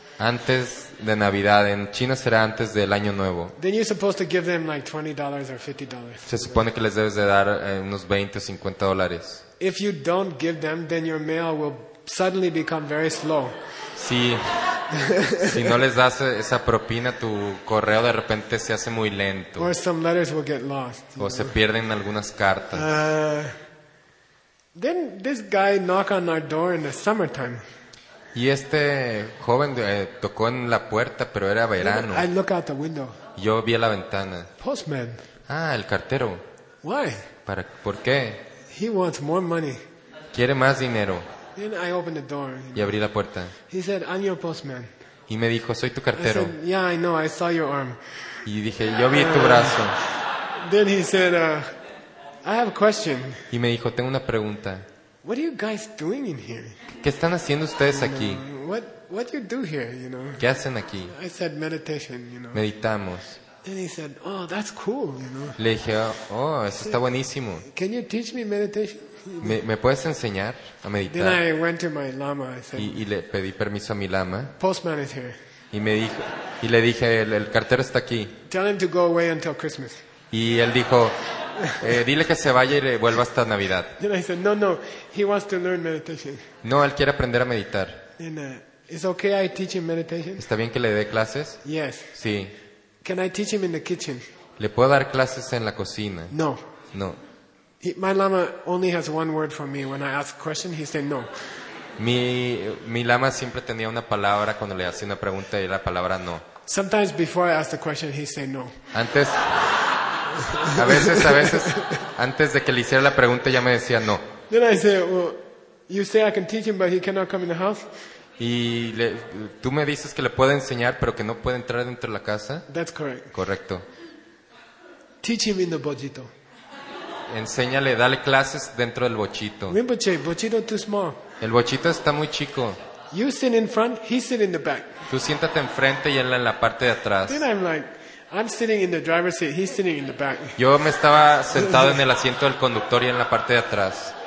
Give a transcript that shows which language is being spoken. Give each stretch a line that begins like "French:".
Spanish: Antes de Navidad, en China será antes del Año Nuevo.
English: Then you're supposed to give them like $20 or $50.
Spanish: Se supone que les debes de dar unos 20 o 50 dólares.
English: If you don't give them, then your mail will suddenly become very slow.
Spanish: Sí. Si no les das esa propina, tu correo de repente se hace muy lento.
English: Or some letters will get lost.
Spanish: O se pierden algunas cartas.
English: Then this guy knocked on our door in the summertime.
Spanish: Y este joven tocó en la puerta, pero era verano.
English: I look out the window.
Spanish: Yo vi a la ventana.
English: Postman.
Spanish: Ah, el cartero.
English: Why?
Spanish: Para, ¿por qué?
English: He wants more money.
Spanish: Quiere más dinero.
English: Then I opened the door.
Spanish: Y abrí la puerta.
English: He said, "I'm your postman."
Spanish: Y me dijo, "Soy tu cartero."
English: I said, "Yeah, I know. I saw your arm."
Spanish: Y dije, "Yo vi tu brazo."
English: Then he said, "I have a question."
Spanish: Y me dijo, "Tengo una pregunta."
English: What are you guys doing in here?
Spanish: ¿Qué están haciendo ustedes aquí?
English: What you do here, you know?
Spanish: ¿Qué hacen aquí?
English: I said, "Meditation, you know."
Spanish: Meditamos.
English: And he said, "Oh, that's cool, you know."
Spanish: Le dije, "Oh, eso está buenísimo."
English: Can you teach me meditation?
Spanish: ¿Me puedes enseñar a meditar?
English: Then I went to my lama, I said,
Spanish: y le pedí permiso a mi lama.
English: Postman is here.
Spanish: Y me dijo, y le dije, el cartero está aquí.
English: Tell him to go away until Christmas.
Spanish: Y él dijo, dile que se vaya y le vuelva hasta Navidad.
English: Then I said, no, he wants to learn meditation.
Spanish: No, él quiere aprender a meditar.
English: Then, is okay I teach him meditation?
Spanish: ¿Está bien que le dé clases?
English: Yes.
Spanish: Sí.
English: Can I teach him in the kitchen?
Spanish: ¿Le puedo dar clases en la cocina?
English: No.
Spanish: No.
English: My lama only has one word for me. When I ask a question, he says no.
Spanish: Mi lama siempre tenía una palabra cuando le hacía una pregunta y la palabra no.
English: Sometimes before I ask the question, he says no.
Spanish: Antes, a veces, antes de que le hiciera la pregunta ya me decía no.
English: Then I say, well, you say I can teach him, but he cannot come in the house.
Spanish: Y tú me dices que le puedo enseñar, pero que no puede entrar dentro de la casa.
English: That's correct.
Spanish: Correcto.
English: Teach him in the bojito.
Spanish: Enséñale, dale clases dentro del bochito.
English: Rinpoche, bochito too small.
Spanish: El bochito está muy chico.
English: You sit in front, he sit in the back.
Spanish: Tú siéntate enfrente y él en la parte de atrás.
English: Then I'm like, I'm sitting in the driver's seat, he's sitting in the back.
Spanish: Yo me estaba sentado en el asiento del conductor y en la parte de atrás.